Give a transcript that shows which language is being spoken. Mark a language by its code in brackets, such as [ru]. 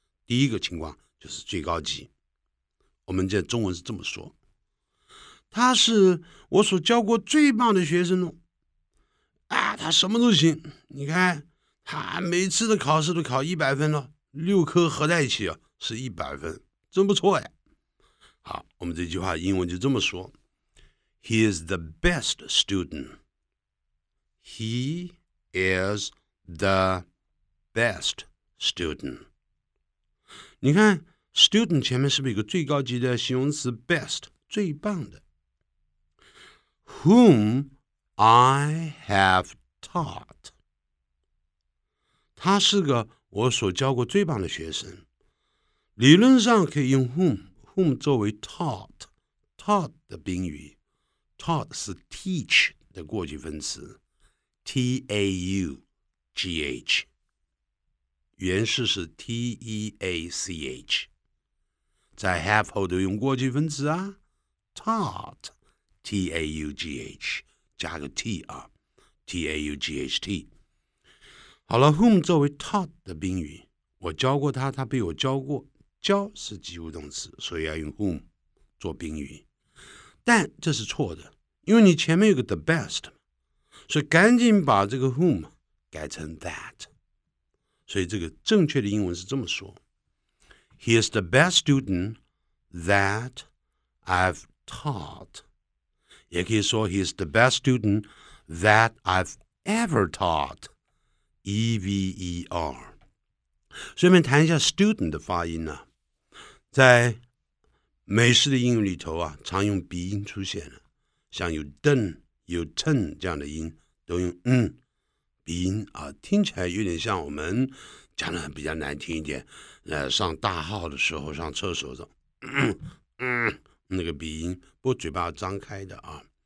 [zh] 第一个情况就是最高级，我们这中文是这么说，他是我所教过最棒的学生呢，他什么都行，你看他每次的考试都考100分了，六科合在一起是100分，真不错呀。好，我们这句话英文就这么说， [en] He is the best student， [zh] He is the best student。你看 student 前面是不是有个最高级的形容词 best， 最棒的。 [en] Whom I haveTaught， [zh] 他是个我所教过最棒的学生，理论上可以用 whom， whom 作为 taught， taught 的宾语， taught 是 teach 的过去分词， t-a-u-g-h，原式是 t-e-a-c-h， 在 have 后都用过去分词啊， taught， t-a-u-g-h 加个 t 啊，T-A-U-G-H-T。好了， whom 作为 taught 的宾语，我教过他，他被我教过，教是及物动词，所以要用 whom 做宾语。但这是错的，因为你前面有个 the best， 所以赶紧把这个 whom 改成 that。所以这个正确的英文是这么说， [en] He is the best student that I've taught， [zh] 也可以说 [en] He is the best studentThat I've ever taught， [zh] E-V-E-R。顺便谈一下 student 的发音呢，在美式的英语里头啊，常用鼻音出现的，像有 done 有 ton 这样的音都用鼻音啊，听起来有点像我们讲的比较难听一点，上大号的时候上厕所的那个鼻音，不过嘴巴张开的啊。